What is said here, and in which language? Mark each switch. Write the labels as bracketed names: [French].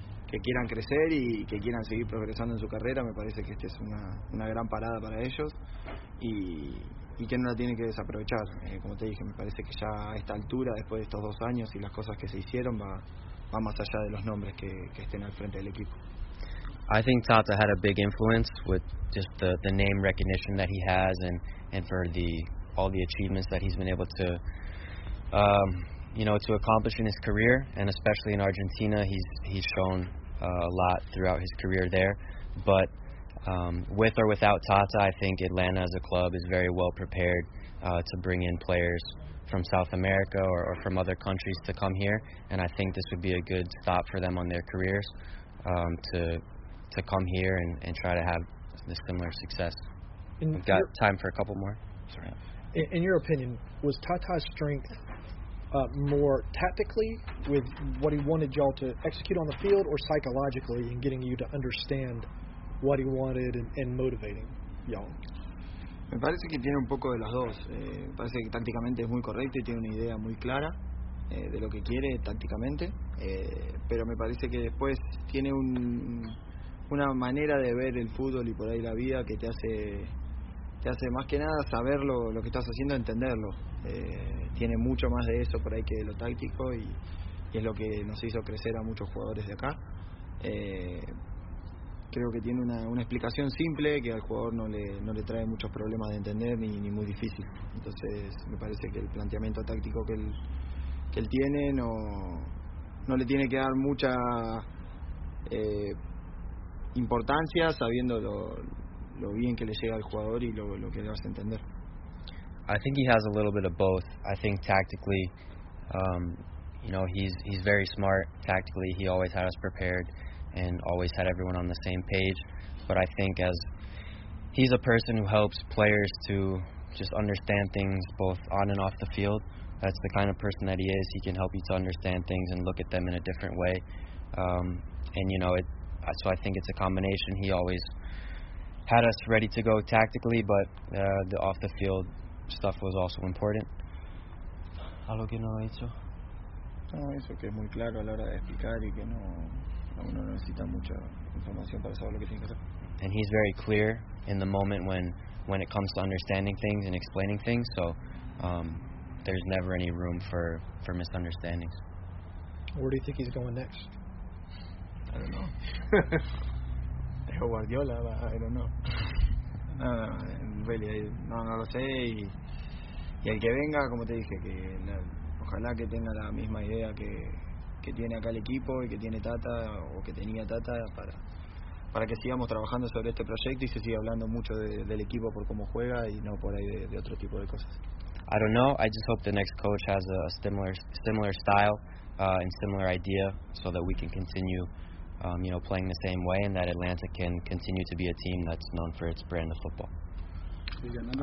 [Spanish] que quieran crecer y que quieran seguir progresando en su carrera. Me parece que esta es una gran parada para ellos y que no la tienen que desaprovechar. Como te dije, me parece que ya a esta altura, después de estos dos años y las cosas que se hicieron, va más allá de los nombres que estén al frente del equipo. [English] I think Tata had a big influence with just the name recognition that he has and for all the achievements that he's been able to to accomplish in his career, and especially in Argentina, he's shown a lot throughout his career there. But with or without Tata, I think Atlanta as a club is very well prepared to bring in players from South America or from other countries to come here, and I think this would be a good stop for them on their careers to come here and try to have a similar success. We've got time for a couple more. Sorry. In your opinion, was Tata's strength more tactically with what he wanted y'all to execute on the field, or psychologically in getting you to understand what he wanted and motivating y'all? [Spanish] Me parece que tiene un poco de las dos. Me parece que tácticamente es muy correcto y tiene una idea muy clara de lo que quiere tácticamente. Pero me parece que después tiene una manera de ver el fútbol y por ahí la vida que te hace más que nada saber lo que estás haciendo, entenderlo. Tiene mucho más de eso por ahí que de lo táctico y es lo que nos hizo crecer a muchos jugadores de acá. Creo que tiene una explicación simple que al jugador no le trae muchos problemas de entender ni muy difícil. Entonces me parece que el planteamiento táctico que él tiene no le tiene que dar mucha importancia, sabiendo lo bien que le llega al jugador y lo que le vas a entender. [English] I think he has a little bit of both. I think tactically, he's very smart tactically. He always had us prepared and always had everyone on the same page. But I think as he's a person who helps players to just understand things both on and off the field, that's the kind of person that he is. He can help you to understand things and look at them in a different way. So I think it's a combination. He always had us ready to go tactically, but the off the field stuff was also important. [Spanish] Algo que no ha hecho. No, eso que es muy claro a la hora de explicar y que uno no necesita mucha información para saber lo que tiene que hacer. [English] And he's very clear in the moment when it comes to understanding things and explaining things, so there's never any room for misunderstandings. Where do you think he's going next? I don't know. [Spanish] Es Guardiola, [English] I don't know. [Spanish] No lo sé. Y el que venga, como te dije, que ojalá que tenga la misma idea que tiene acá el equipo y que tiene Tata o que tenía Tata para que sigamos trabajando sobre este proyecto y se siga hablando mucho del equipo por cómo juega y no por ahí de otro tipo de cosas. [English] I don't know. I just hope the next coach has a similar style and similar idea so that we can continue playing the same way, and that Atlanta can continue to be a team that's known for its brand of football.